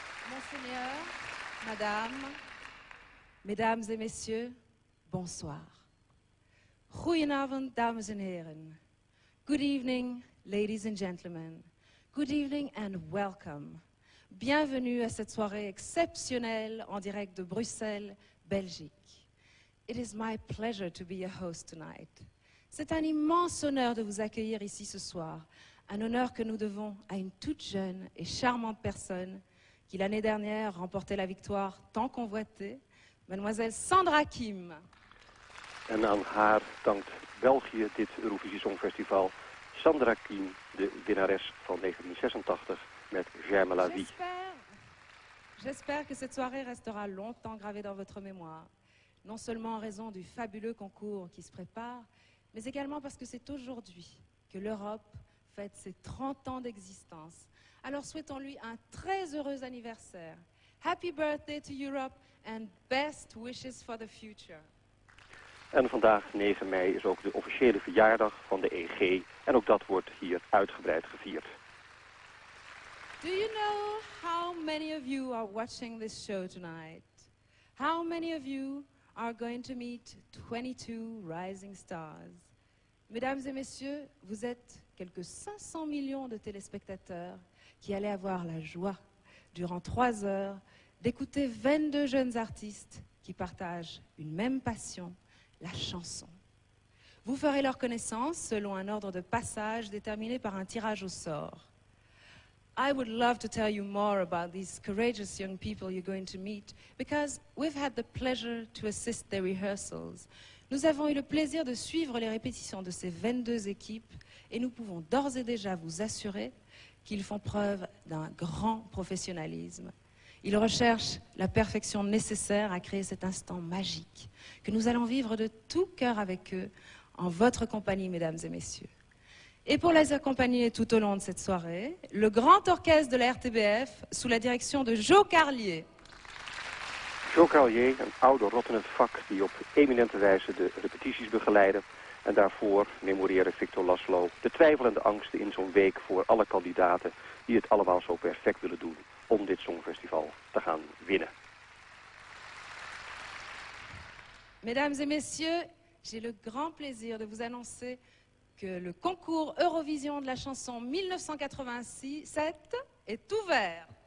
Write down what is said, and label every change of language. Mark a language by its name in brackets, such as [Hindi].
[French] Monseigneur, madame, mesdames et messieurs, bonsoir. [Dutch] Goedenavond, dames en heren. [English] Good evening, ladies and gentlemen. Good evening and welcome. [French] Bienvenue à cette soirée exceptionnelle en direct de Bruxelles, Belgique. [English] It is my pleasure to be your host tonight. [French] C'est un immense honneur de vous accueillir ici ce soir, un honneur que nous devons à une toute jeune et charmante personne qui l'année dernière remportait la victoire tant convoitée, mademoiselle Sandra Kim. [Dutch] En aan haar dankt België dit Eurovisie Songfestival Sandra Kim, de winnares van 1986. Met J'aime la vie. [French] J'espère que cette soirée restera longtemps gravée dans votre mémoire, non seulement en raison du fabuleux concours qui se prépare, mais également parce que c'est aujourd'hui que l'Europe fête ses 30 ans d'existence. Alors souhaitons-lui un très heureux anniversaire. [English] Happy birthday to Europe and best wishes for the future. [Dutch] En vandaag, 9 mei, is ook de officiële verjaardag van de EG en ook dat wordt hier uitgebreid gevierd. [English] Do you know how many of you are watching this show tonight? How many of you are going to meet 22 rising stars? [French] Mesdames et messieurs, vous êtes quelques 500 millions de téléspectateurs qui allez avoir la joie, durant 3 heures, d'écouter 22 jeunes artistes qui partagent une même passion, la chanson. Vous ferez leur connaissance selon un ordre de passage déterminé par un tirage au sort. [English] I would love to tell you more about these courageous young people you're going to meet, because we've had the pleasure to assist their rehearsals. [French] Nous avons eu le plaisir de suivre les répétitions de ces 22 équipes et nous pouvons d'ores et déjà vous assurer qu'ils font preuve d'un grand professionnalisme. Ils recherchent la perfection nécessaire à créer cet instant magique que nous allons vivre de tout cœur avec eux en votre compagnie, mesdames et messieurs. Et pour les accompagner tout au long de cette soirée, le grand orchestre de la RTBF sous la direction de Jo Carlier. [Dutch] Jo Carlier, een oude rot in het vak die op eminente wijze de repetities begeleidde. En daarvoor memoreerde Victor Laszlo de twijfel en de angsten in zo'n week voor alle kandidaten die het allemaal zo perfect willen doen om dit Songfestival te gaan winnen. [French] Mesdames et messieurs, j'ai le grand plaisir de vous annoncer que le concours Eurovision de la chanson 1987 est ouvert.